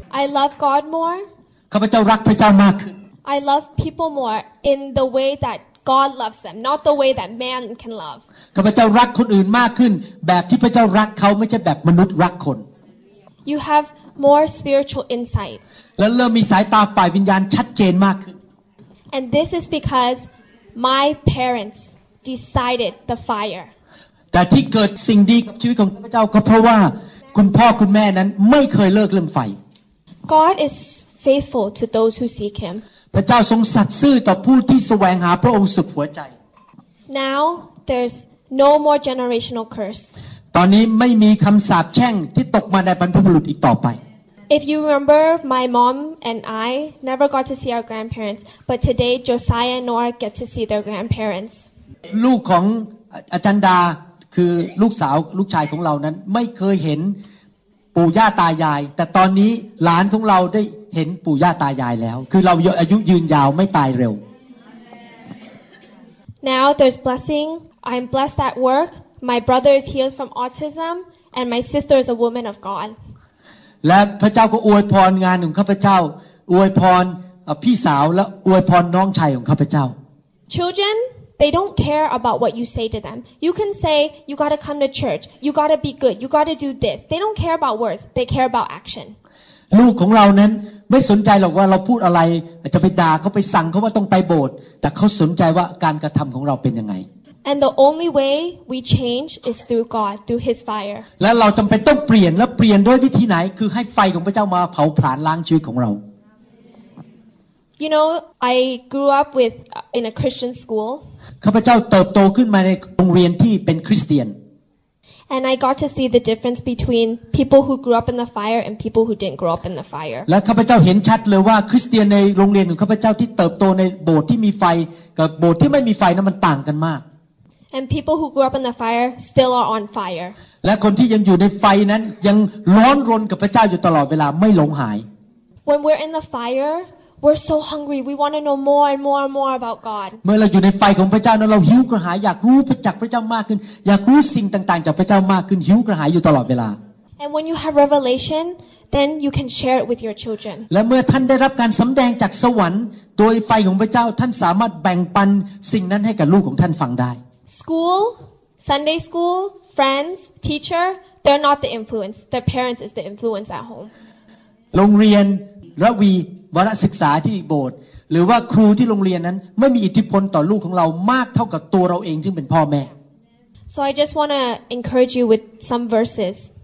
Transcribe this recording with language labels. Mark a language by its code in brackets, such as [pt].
[en] I love God more [th] ข้าพเจ้ารักพระเจ้ามากขึ้น [en] I love people more in the way that God loves them not the way that man can love [th] ข้าพเจ้ารักคนอื่นมากขึ้นแบบที่พระเจ้ารักเขาไม่ใช่แบบมนุษย์รักคน [en] You have more spiritual insight [th] และเริ่มมีสายตาฝ่ายวิญญาณชัดเจนมากขึ้น [en] And this is because my parentsDecided the fire. [th] แต่ที่เกิดสิ่งดีกับชีวิตของข้าพเจ้าก็เพราะว่าคุณพ่อคุณแม่นั้นไม่เคยเลิกเรื่องไฟ [en] God is faithful to those who seek Him. [th] พระเจ้าทรงสัตย์ซื่อต่อผู้ที่แสวงหาพระองค์สุดหัวใจ [en] Now there's no more generational curse. [th] ตอนนี้ไม่มีคำสาปแช่งที่ตกมาในบรรพบุรุษอีกต่อไป [en] If you remember, my mom and I never got to see our grandparents, but today Josiah and Nora get to see their grandparents. [th] ลูกของอาจารย์ดาคือลูกสาวลูกชายของเรานั้นไม่เคยเห็นปู่ย่าตายายแต่ตอนนี้หลานของเราได้เห็นปู่ย่าตายายแล้วคือเราอายุยืนยาวไม่ตายเร็ว [en] Now there's blessing I'm blessed at work my brother is healed from autism and my sister is a woman of God [th] และพระเจ้าก็อวยพรงานของข้าพเจ้าอวยพรพี่สาวและอวยพรน้องชายของข้าพเจ้า [en] ChildrenThey don't care about what you say to them. You can say, you got to come to church. You got to be good. You got to do this. They don't care about words. They care about action. [th] ลูกของเรานั้นไม่สนใจหรอกว่าเราพูดอะไรจะไปด่าเขาไปสั่งเขาว่าต้องไปโบสถ์แต่เขาสนใจว่าการกระทำของเราเป็นยังไง [en] And the only way we change is through God, through His fire. [th] และเราจำเป็นต้องเปลี่ยนและเปลี่ยนด้วยวิธีไหนคือให้ไฟของพระเจ้ามาเผาผลาญล้างชีวิตของเรา [en] You know, I grew up with in a Christian school. [th] ข้าพเจ้าเติบโตขึ้นมาในโรงเรียนที่เป็นคริสเตียน [en] And I got to see the difference between people who grew up in the fire and people who didn't grow up in the fire. [th] และข้าพเจ้าเห็นชัดเลยว่าคริสเตียนในโรงเรียนของข้าพเจ้าที่เติบโตในโบสถ์ที่มีไฟกับโบสถ์ที่ไม่มีไฟนั้นมันต่างกันมาก [en] And people who grew up in the fire still are on fire. [th] และคนที่ยังอยู่ในไฟนั้นยังร้อนรนกับพระเจ้าอยู่ตลอดเวลาไม่หลงหาย [en] When we're in the fireWe're so hungry. We want to know more and more and more about God. [th] เมื่อเราอยู่ในไฟของพระเจ้านั้นเราหิวกระหายอยากรู้จักพระเจ้ามากขึ้นอยากรู้สิ่งต่างๆจากพระเจ้ามากขึ้นหิวกระหายอยู่ตลอดเวลา [en] And when you have revelation, then you can share it with your children. [th] และเมื่อท่านได้รับการสำแดงจากสวรรค์โดยไฟของพระเจ้าท่านสามารถแบ่งปันสิ่งนั้นให้กับลูกของท่านฟังได้ [en] School, Sunday school, friends, teacher, they're not the influence. The parents is the influence at home. [th] โรงเรียนระวีวาระศึกษาที่โบสถ์หรือว่าครูที่โรงเรียนนั้นไม่มีอิทธิพลต่อลูกของเรามากเท่ากับตัวเราเองซึ่งเป็นพ่อแม่ [en] So I just want to encourage you with some verses